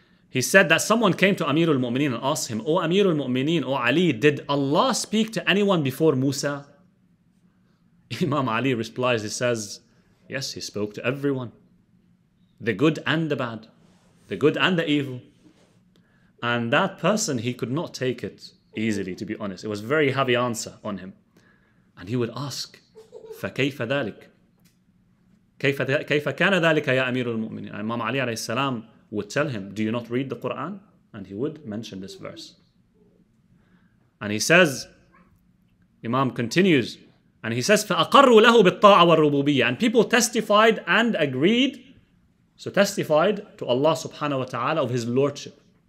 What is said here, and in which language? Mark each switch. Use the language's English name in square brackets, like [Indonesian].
[English] He said that someone came to Amir al-Mu'mineen and asked him, O Amir al-Mu'mineen, O Ali, did Allah speak to anyone before Musa? Imam Ali replies, he says, yes, he spoke to everyone. The good and the bad. The good and the evil. And that person, he could not take it easily, to be honest. It was a very heavy answer on him. And he would ask, [Arabic] فَكَيْفَ ذَلِكَ كَيْفَ كَانَ ذَلِكَ يَا أَمِيرُ الْمُؤْمِنِينَ. [English] And Imam Ali alayhi salam would tell him, do you not read the Quran? And he would mention this verse. And he says, Imam continues, and he says, [Arabic] فَأَقَرُّوا لَهُ بِالطَّاعَ وَالرُّبُوبِيَّةِ. [English] And people testified and agreed, so testified to Allah subhanahu wa ta'ala of His Lordship.